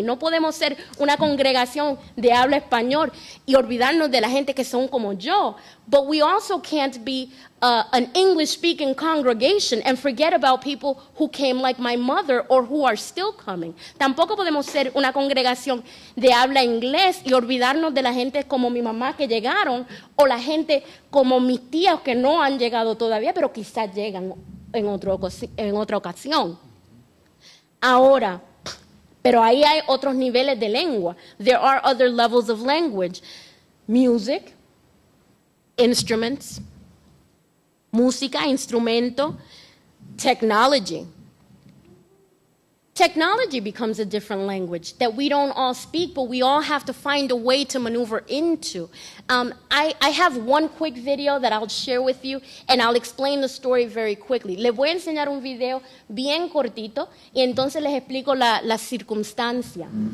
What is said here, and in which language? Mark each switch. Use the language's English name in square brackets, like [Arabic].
[Spanish] No podemos ser una congregación de habla español y olvidarnos de la gente que son como yo. [English] But we also can't be an English-speaking congregation and forget about people who came like my mother or who are still coming. [Spanish] Tampoco podemos ser una congregación de habla inglés y olvidarnos de la gente como mi mamá que llegaron o la gente como mis tías que no han llegado todavía, pero quizás llegan en otra ocasión. Ahora, pero ahí hay otros niveles de lengua. [English] There are other levels of language. Music, instruments, [Spanish] música, instrumento, [English] technology. technology becomes a different language that we don't all speak, but we all have to find a way to maneuver into. I have one quick video that I'll share with you, and I'll explain the story very quickly. [Spanish] Le voy a enseñar un video bien cortito, y entonces les explico la circunstancia.